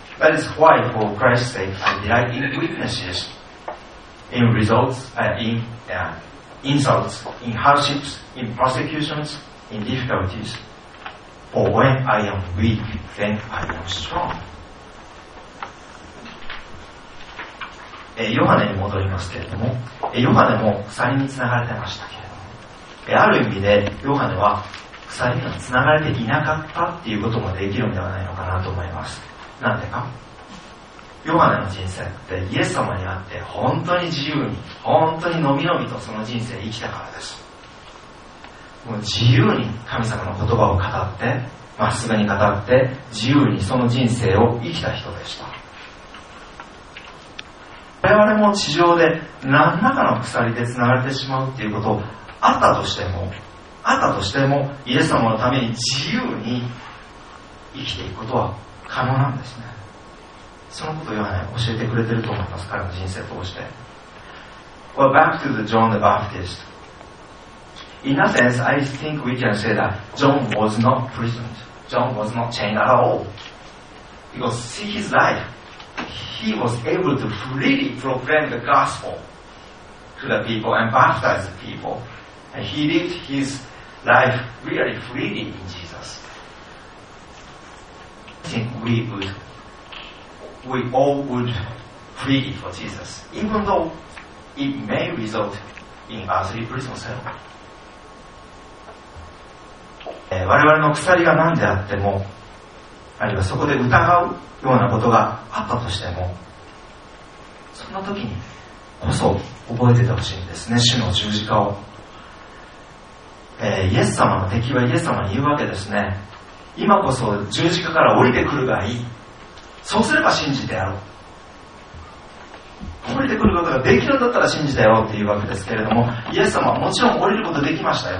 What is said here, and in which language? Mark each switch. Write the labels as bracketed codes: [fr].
[en] That is why, for Christ's sake, I delight in weaknesses, in results, in insults, in hardships, in persecutions, in difficulties. For when I am weak, then I am strong. [ja] ヨハネに戻りますけれども、ヨハネも鎖につながれてましたけれども、ある意味でヨハネは鎖にはつながれていなかったっていうこともできるんではないのかなと思います。なんでか、ヨハネの人生ってイエス様にあって本当に自由に本当にのびのびとその人生生きたからです。もう自由に神様の言葉を語ってまっすぐに語って自由にその人生を生きた人でした。我々も地上で何らかの鎖でつながれてしまうっていうことあったとしてもあったとしてもイエス様のために自由に生きていくことは可能なんですね。そのことをヨハネ教えてくれてると思います、彼の人生を通して。 [en] Well, back to the John the Baptist. In a sense, I think we can say that John was not prisoned. John was not chained at all. Because see his life, he was able to freely proclaim the gospel to the people and baptize the people. And he lived his life really freely in Jesus. I think we all would plead for Jesus, even though it may result in earthly prison cell. [ja] 我々の鎖が何であっても、あるいはそこで疑うようなことがあったとしても、そんな時にこそ覚えててほしいんですね、主の十字架を。イエス様の敵はイエス様に言うわけですね。今こそ十字架から降りてくるがいい、そうすれば信じてやろう、降りてくることができるんだったら信じてやろうっていうわけですけれども、イエス様はもちろん降りることできましたよ。